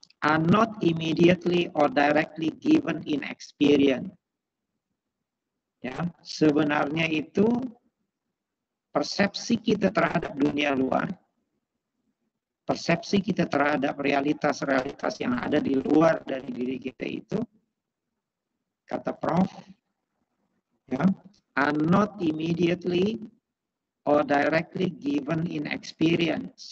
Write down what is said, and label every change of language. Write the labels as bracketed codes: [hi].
[en] Are not immediately or directly given in experience. Ya. [id] Sebenarnya itu persepsi kita terhadap dunia luar. Persepsi kita terhadap realitas-realitas yang ada di luar dari diri kita itu. Kata Prof. [en] Ya, are not immediately or directly given in experience.